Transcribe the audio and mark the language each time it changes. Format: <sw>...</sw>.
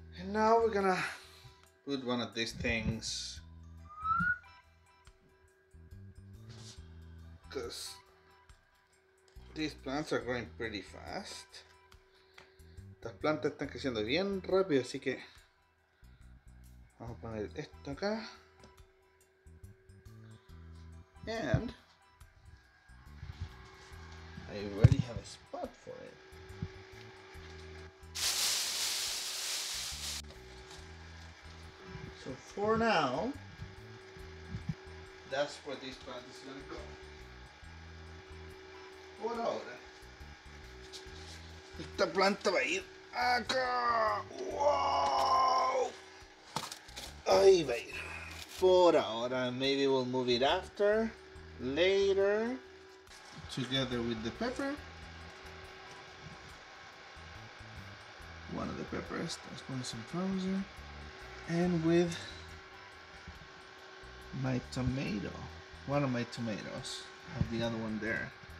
<en>Now we're gonna put one of these things because these plants are growing pretty fast.</en> <es>Estas plantas están creciendo bien rápido, así que vamos a poner esto acá.</es> <en>And I already have a spot for it. So for now, that's where this plant is going to go.</en> <es>Por ahora, esta planta va a ir acá.</es> <en>Wow!</en> <es>Ahí va a ir.</es> <en>For ahora, maybe we'll move it after, later, together with the pepper. One of the peppers, that's going to some frozen. And with my tomato, one of my tomatoes, have the other one there.</en>